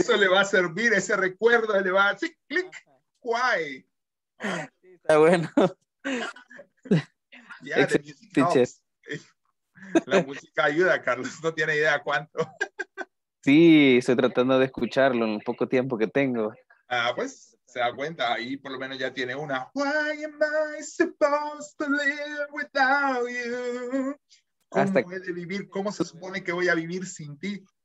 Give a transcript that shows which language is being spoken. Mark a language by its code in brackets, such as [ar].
[es] eso le va a servir, ese recuerdo le va a decir, clic, why. Está bueno. Ya, yeah, teacher. La música ayuda, Carlos. No tiene idea cuánto. Sí, estoy tratando de escucharlo en el poco tiempo que tengo. Ah, pues, se da cuenta. Ahí por lo menos ya tiene una. [en] Why am I supposed to live without you? [es] ¿Cómo hasta voy a vivir? ¿Cómo se supone que voy a vivir sin ti?